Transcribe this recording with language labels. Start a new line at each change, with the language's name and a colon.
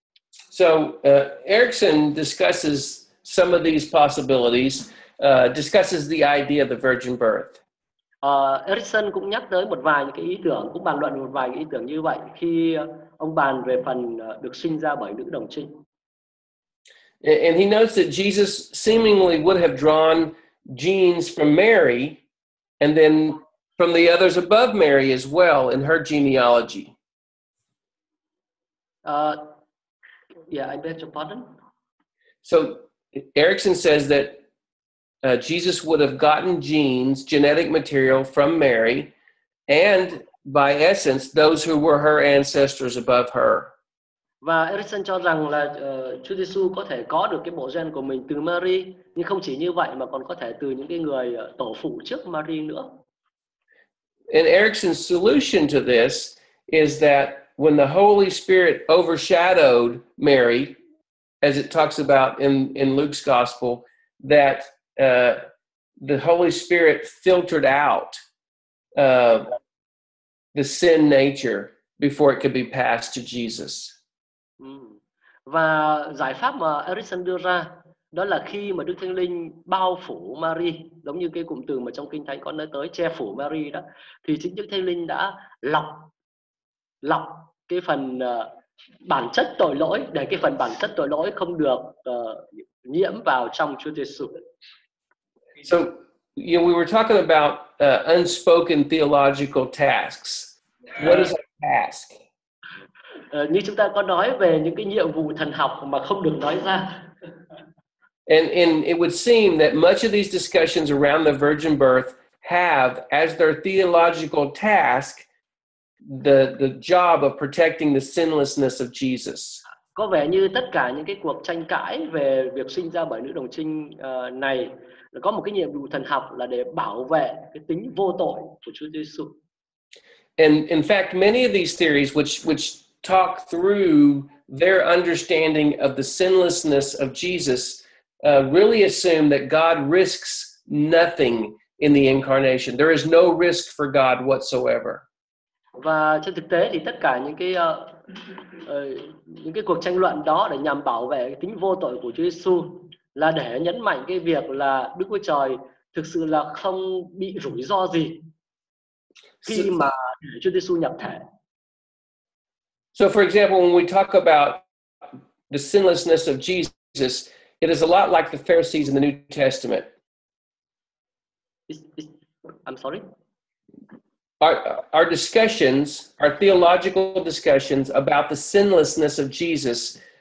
English: So Erickson discusses some of these possibilities, discusses the idea of the virgin birth.
Vietnamese: Erickson cũng nhắc tới một vài những cái ý tưởng, cũng bàn luận một vài cái ý tưởng như vậy khi ông bàn về phần được sinh ra bởi nữ đồng trinh.
English: And he notes that Jesus seemingly would have drawn genes from Mary and then from the others above Mary as well in her genealogy. Yeah, I beg your pardon. So Erickson says that Jesus would have gotten genes, genetic material from Mary, and by essence, those who were her ancestors above her.
Vietnamese: Và Erickson cho rằng là Chúa Giêsu có thể có được cái bộ gen của mình từ Mary, nhưng không chỉ như vậy mà còn có thể từ những cái người tổ phụ trước Mary nữa.
English: And Erickson's solution to this is that when the Holy Spirit overshadowed Mary, as it talks about in Luke's gospel, that the Holy Spirit filtered out the sin nature before it could be passed to Jesus.
Vietnamese: Và giải pháp mà Erickson đưa ra đó là khi mà Đức Thánh Linh bao phủ Mary, giống như cái cụm từ mà trong Kinh Thánh có nói tới che phủ Mary đó, thì chính Đức Thánh Linh đã lọc cái phần bản chất tội lỗi để cái phần bản chất tội lỗi không được nhiễm vào trong Chúa Giêsu.
English: So, you know, we were talking about unspoken theological tasks. What is a task?
Vietnamese: Như chúng ta có nói về những cái nhiệm vụ thần học mà không được nói ra.
English: And it would seem that much of these discussions around the virgin birth have as their theological task the job of protecting the sinlessness of Jesus.
Vietnamese: Có vẻ như tất cả những cái cuộc tranh cãi về việc sinh ra bởi nữ đồng trinh này có một cái nhiệm vụ thần học là để bảo vệ cái tính vô tội của Chúa Giêsu.
English: And in fact, many of these theories which talk through their understanding of the sinlessness of Jesus really assume that God risks nothing in the incarnation. There is no risk for God whatsoever.
Vietnamese: Và trên thực tế thì tất cả những cái cuộc tranh luận đó để nhằm bảo vệ tính vô tội của Chúa Giêsu là để nhấn mạnh cái việc là Đức Chúa Trời thực sự là không bị rủi ro gì khi mà Chúa Giêsu nhập thể.
English: So for example, when we talk about the sinlessness of Jesus, it is a lot like the Pharisees in the New Testament. I'm sorry? Our discussions, our theological discussions about the sinlessness of Jesus